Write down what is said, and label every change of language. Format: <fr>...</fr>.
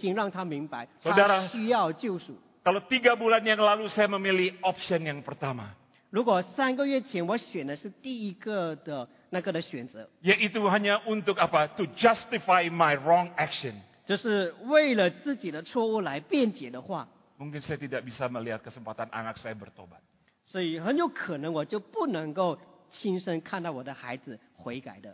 <zh>所以上帝借着3个月前所发生的那个事情，就是开他的眼睛，让他明白他需要救赎。</zh> <id>Kalau 3 bulan yang lalu saya memilih option yang pertama.</id> <zh>如果3个月前我选的是第一个的那个的选择，</zh> <id>yaitu hanya untuk apa?</id> <en>To justify my wrong action.</en> <zh>就是为了自己的错误来辩解的话。</zh> <id>Mungkin saya tidak bisa melihat kesempatan anak saya bertobat.</id> <zh>所以很有可能我就不能够亲身看到我的孩子悔改的。</zh>